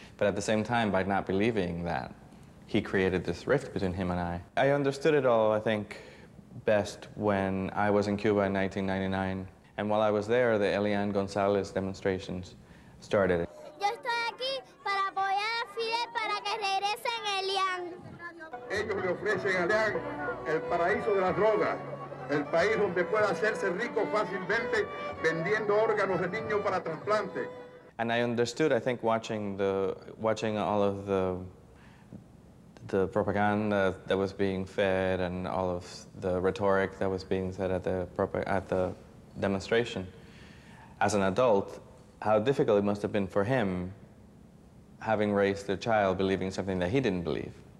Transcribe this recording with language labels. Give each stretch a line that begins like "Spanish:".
English: But at the same time, by not believing that, he created this rift between him and I. I understood it all, I think, best when I was in Cuba in 1999. And while I was there, the Elian Gonzalez demonstrations started.
Spanish: Yo estoy aquí para apoyar a Fidel para que regrese en Elian. Ellos le ofrecen a Elian el paraíso de las drogas, el país donde puede hacerse rico fácilmente vendiendo órganos de niños para trasplante.
English: And I understood, I think, watching all of the propaganda that was being fed and all of the rhetoric that was being said at the demonstration, as an adult, how difficult it must have been for him, having raised a child believing something that he didn't believe.